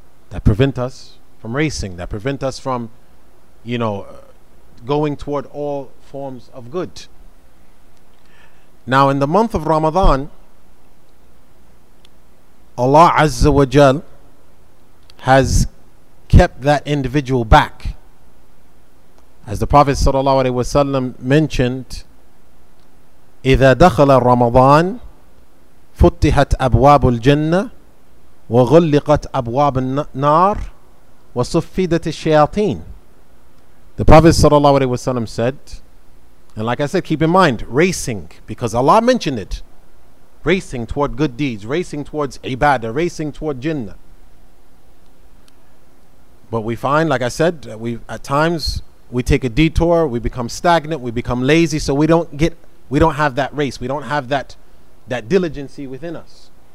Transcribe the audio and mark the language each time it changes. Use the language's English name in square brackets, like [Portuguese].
[English] That prevent us from, you know, going toward all forms of good. Now, in the month of Ramadan, Allah Azza wa Jal has kept that individual back. As the Prophet Sallallahu Alaihi Wasallam mentioned, [Arabic] إِذَا دَخَلَ رَمَضَانَ فُتِّحَتْ أَبْوَابُ الْجَنَّةِ وَغُلِّقَتْ أَبْوَابُ النَّارِ وَصُفِّدَتِ الشَّيَاطِينَ. [English] The Prophet Sallallahu Alaihi Wasallam said, and like I said, keep in mind, racing, because Allah mentioned it. Racing toward good deeds, racing towards ibadah, racing toward Jannah. But we find, like I said, that at times we take a detour, we become stagnant, we become lazy, so we don't have that race, we don't have that diligence within us.